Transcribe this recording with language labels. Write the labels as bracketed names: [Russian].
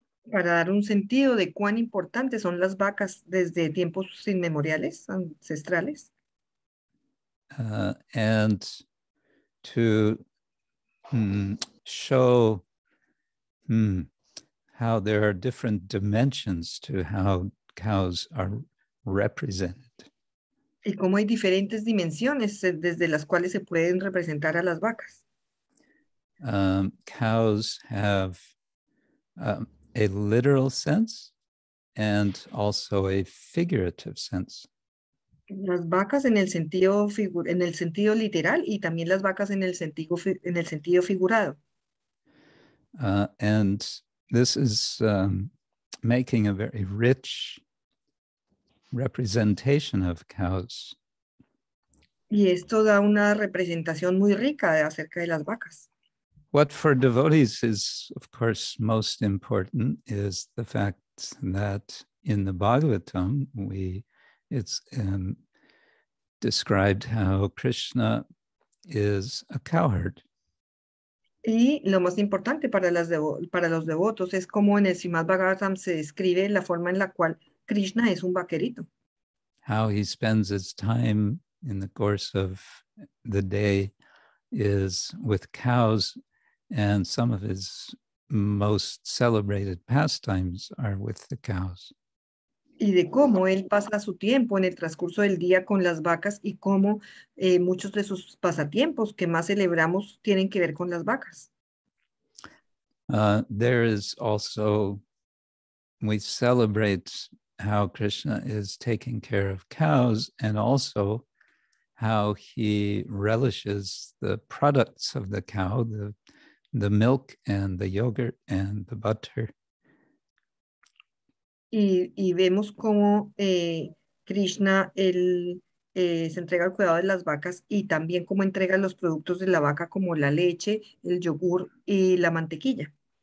[Spanish] Para dar un sentido de cuán importantes son las vacas desde tiempos inmemoriales, ancestrales. [English] And to show how there are different dimensions to how cows are represented. [Spanish] Y cómo hay diferentes dimensiones desde las cuales se pueden representar a las vacas. [English] Cows have a literal sense and also a figurative sense. [Spanish] Las vacas en el sentido literal y también las vacas en el sentido figurado. [English] And this is making a very rich representation of cows. [Spanish] Y esto da una representación muy rica acerca de las vacas. [English] What for devotees is, of course, most important is the fact that in the Bhagavatam, it's described how Krishna is a cowherd. [Spanish] Y lo más importante para los devotos es como en el Srimad Bhagavatam se describe la forma en la cual Krishna es un vaquerito. [English] How he spends his time in the course of the day is with cows, and some of his most celebrated pastimes are with the cows. [Spanish] Y de cómo él pasa su tiempo en el transcurso del día con las vacas y cómo muchos de sus pasatiempos que más celebramos tienen que ver con las vacas. [English] There is also, we celebrate how Krishna is taking care of cows and also how he relishes the products of the cow, the milk and the yogurt and the butter. [Spanish] Y vemos cómo Krishna se entrega al cuidado de las vacas y también cómo entrega los productos de la vaca como la leche, el yogur y la mantequilla.